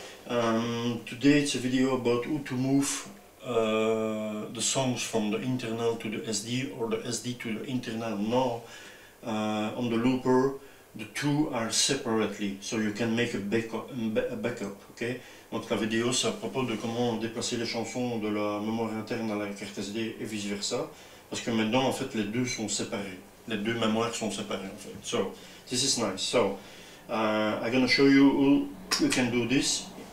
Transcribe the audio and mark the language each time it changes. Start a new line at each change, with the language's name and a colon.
English: Today it's a video about who to move the songs from the internal to the SD or the SD to the internal. Now, on the looper, the two are separately, so you can make a backup, ok?
French: Donc la vidéo c'est à propos de comment déplacer les chansons de la mémoire interne à la carte SD et vice versa, parce que maintenant en fait les deux sont séparés, les deux mémoires sont séparées en fait.
English: So, this is nice. So, I'm gonna show you how you can do this.